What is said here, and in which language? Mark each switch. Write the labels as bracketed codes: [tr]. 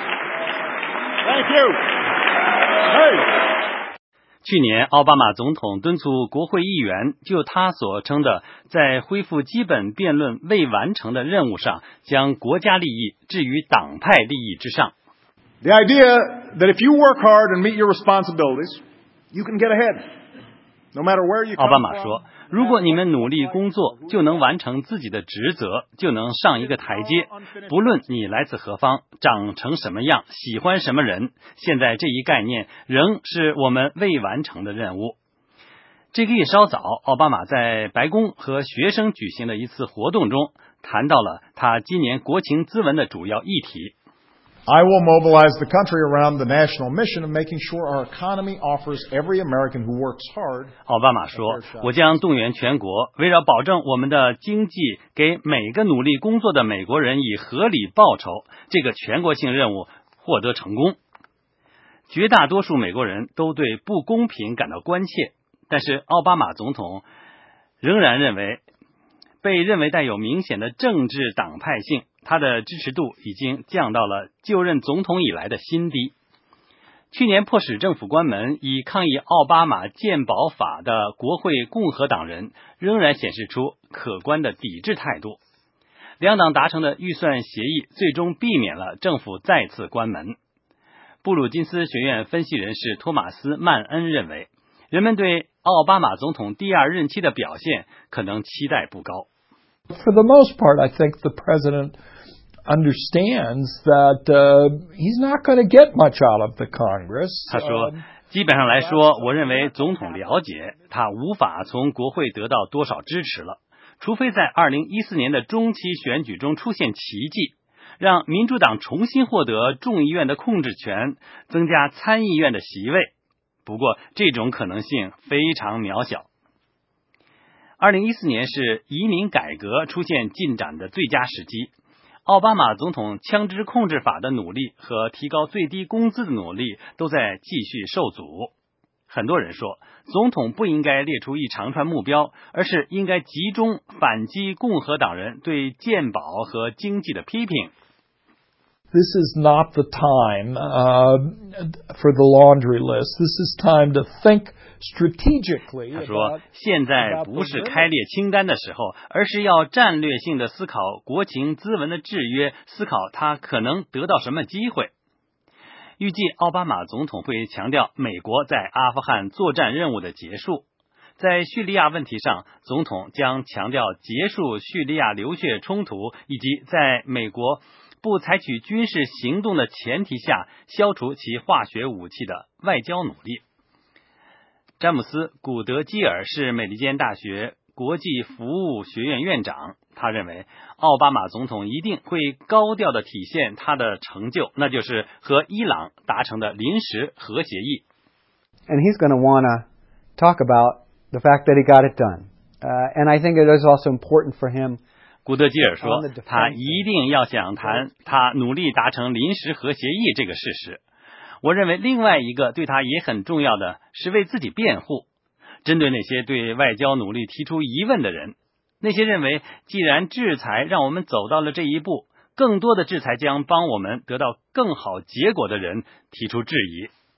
[en] Thank you. Hey. [zh] 去年奥巴马总统敦促国会议员就他所称的在恢复基本辩论未完成的任务上将国家利益置于党派利益之上。 [en] The idea that if you work hard and meet your responsibilities, you can get ahead, no matter where you come. [zh] 奥巴马说，如果你们努力工作，就能完成自己的职责，就能上一个台阶。不论你来自何方，长成什么样，喜欢什么人，现在这一概念仍是我们未完成的任务。这个月稍早，奥巴马在白宫和学生举行的一次活动中，谈到了他今年国情咨文的主要议题。 [en] I will mobilize the country around the national mission of making sure our economy offers every American who works hard. [zh] 奥巴马说，我将动员全国，围绕保证我们的经济给每个努力工作的美国人以合理报酬，这个全国性任务获得成功。绝大多数美国人都对不公平感到关切，但是奥巴马总统仍然认为，被认为带有明显的政治党派性，他的支持度已经降到了就任总统以来的新低。去年迫使政府关门以抗议奥巴马健保法的国会共和党人仍然显示出可观的抵制态度。两党达成的预算协议最终避免了政府再次关门。布鲁金斯学院分析人士托马斯·曼恩认为，人们对奥巴马总统第二任期的表现可能期待不高。 [en] For the most part, I think the president understands that he's not going to get much out of the Congress. [zh] 他说，基本上来说，我认为总统了解他无法从国会得到多少支持了，除非在2014年的中期选举中出现奇迹，让民主党重新获得众议院的控制权，增加参议院的席位。不过，这种可能性非常渺小。2014年是移民改革出现进展的最佳时机，奥巴马总统枪支控制法的努力和提高最低工资的努力都在继续受阻。很多人说，总统不应该列出一长串目标，而是应该集中反击共和党人对健保和经济的批评。 [en] This is not the time for the laundry list. This is time to think strategically. [zh] 他说，现在不是开列清单的时候，而是要战略性的思考国情咨文的制约，思考他可能得到什么机会。预计奥巴马总统会强调美国在阿富汗作战任务的结束。在叙利亚问题上，总统将强调结束叙利亚流血冲突，以及在美国不采取军事行动的前提下消除其化学武器的外交努力。詹姆斯·古德基尔是美利坚大学国际服务学院院长，他认为奥巴马总统一定会高调地体现他的成就，那就是和伊朗达成的临时核协议。 [en] And he's going to want to talk about the fact that he got it done. And I think it is also important for him。 [zh] 古德基尔说，他一定要想谈他努力达成临时核协议这个事实。我认为另外一个对他也很重要的是为自己辩护，针对那些对外交努力提出疑问的人，那些认为既然制裁让我们走到了这一步，更多的制裁将帮我们得到更好结果的人提出质疑。